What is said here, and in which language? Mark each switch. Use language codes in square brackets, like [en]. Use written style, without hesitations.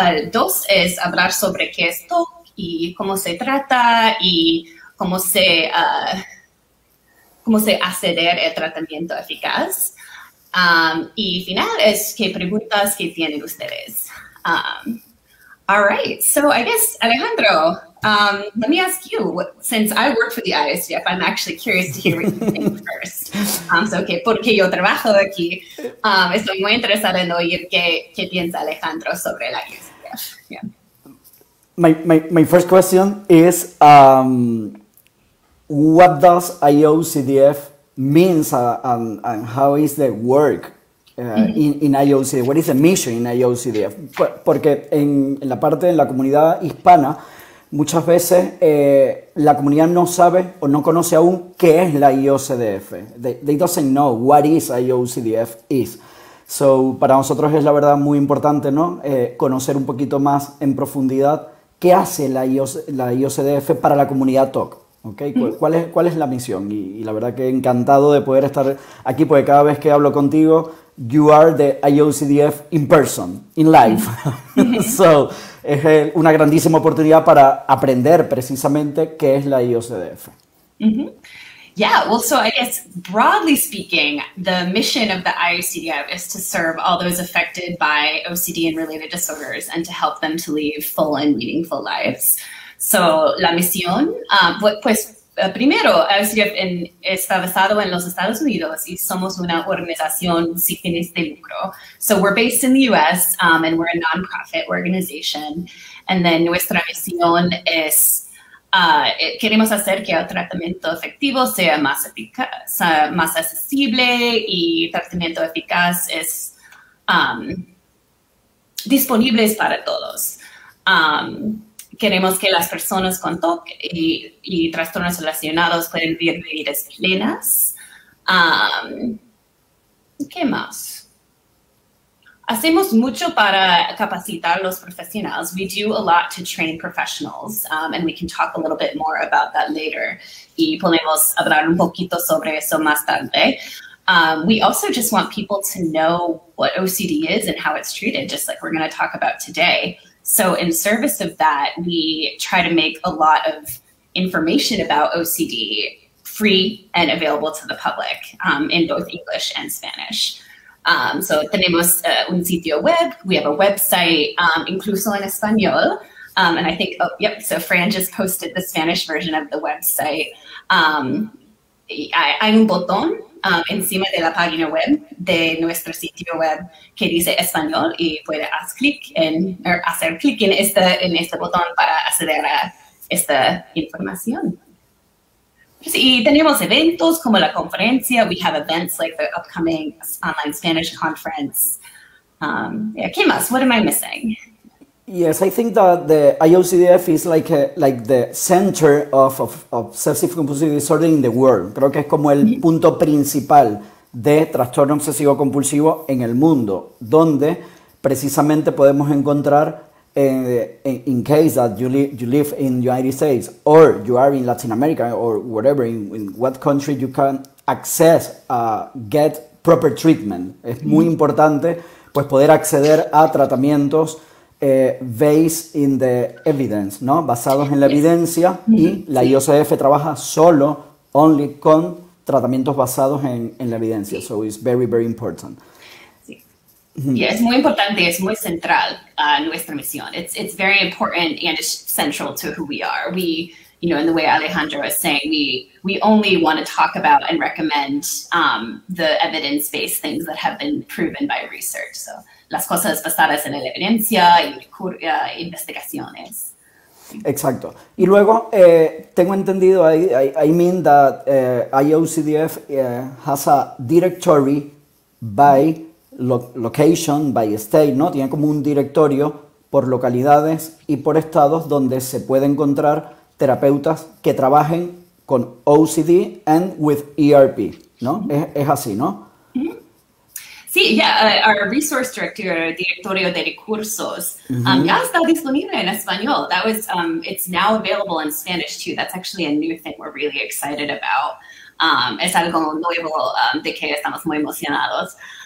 [es] Dos es hablar sobre qué es TOC y cómo se trata y cómo se acceder al tratamiento eficaz. Y final es qué preguntas que tienen ustedes. [en] All right, so I guess, Alejandro, let me ask you, since I work for the ISDF, I'm actually curious to hear what you think first. [es] Porque yo trabajo aquí, estoy muy interesada en oír qué piensa Alejandro sobre la ISDF. Yeah. [en] My first question is, what does IOCDF mean and how is the work? In IOCDF, what is the mission in IOCDF? [es] Porque en la parte de la comunidad hispana, muchas veces la comunidad no sabe o no conoce aún qué es la IOCDF. [en] They doesn't know what is IOCDF is. So, [es] para nosotros es la verdad muy importante, ¿no? Conocer un poquito más en profundidad qué hace la IOCDF para la comunidad TOC. Okay. ¿Cuál es la misión? Y la verdad que encantado de poder estar aquí, porque cada vez que hablo contigo, [en] you are the IOCDF in person, in life. [es] So, es una grandísima oportunidad para aprender precisamente qué es la IOCDF. Mm-hmm. [en] Yeah, well, so I guess, broadly speaking, the mission of the IOCDF is to serve all those affected by OCD and related disorders and to help them to lead full and meaningful lives. [es] So, la misión, primero, IOCDF está basado en los Estados Unidos y somos una organización sin fines de lucro. [en] So, we're based in the U.S. And we're a non-profit organization. And then, [es] nuestra misión es, queremos hacer que el tratamiento efectivo sea más eficaz, más accesible y tratamiento eficaz es disponible para todos. Queremos que las personas con TOC y trastornos relacionados puedan vivir vidas plenas. ¿Qué más? Hacemos mucho para capacitar los profesionales. [en] We do a lot to train professionals, and we can talk a little bit more about that later. [es] Y podemos hablar un poquito sobre eso más tarde. [en] We also just want people to know what OCD is and how it's treated, just like we're going to talk about today. So in service of that, we try to make a lot of information about OCD free and available to the public in both English and Spanish. [es] So tenemos un sitio web, [en] we have a website, [es] incluso en español. [en] And I think, oh, yep, so Fran just posted the Spanish version of the website. [es] Hay un botón encima de la página web de nuestro sitio web que dice español y puede hacer clic en este botón para acceder a esta información. Y tenemos eventos como la conferencia. [en] We have events like the upcoming online Spanish conference. [es] ¿Qué más? [en] What am I missing? Yes, I think that the IOCDF is like the center of obsessive compulsive disorder in the world. [es] Creo que es como el punto principal de trastorno obsesivo compulsivo en el mundo, donde precisamente podemos encontrar [en] in case that you live in the United States or you are in Latin America or whatever, in what country you can access, get proper treatment. [es] Es muy importante pues poder acceder a tratamientos [en] based in the evidence, [es] ¿no? Basados en la evidencia, y la IOCDF trabaja solo, only con tratamientos basados en la evidencia. [en] So it's very, very important. Mm-hmm. [es] Yeah, es muy importante, es muy central nuestra misión. [en] It's very important and it's central to who we are. We, you know, in the way Alejandro is saying, we only want to talk about and recommend the evidence-based things that have been proven by research. [es] So, las cosas basadas en la evidencia y investigaciones. Exacto. Y luego, tengo entendido, [en] I mean that IOCDF has a directory by location, by state, [es] ¿no? Tiene como un directorio por localidades y por estados donde se puede encontrar terapeutas que trabajen con OCD [en] and with ERP, [es] ¿no? Es así, ¿no? Sí, ya, [en] our resource director, [es] directorio de recursos, ya está disponible en español. [en] That was, it's now available in Spanish too. That's actually a new thing we're really excited about. [es] Es algo nuevo de que estamos muy emocionados.